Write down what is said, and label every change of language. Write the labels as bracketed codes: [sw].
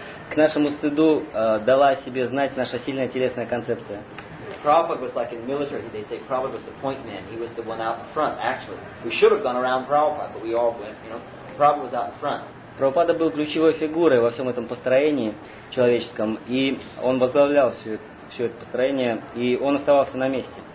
[ru] К нашему стыду дала о себе знать наша сильная телесная концепция. [en] Prabhupada was like in the military, they say Prabhupada was the point man. He was the one out in front, actually. We should have gone around Prabhupada, but we all went, you know. Prabhupada was out in front. [ru] Прабхупада был ключевой фигурой во всем этом построении человеческом, и он возглавлял все это построение, и он оставался на месте.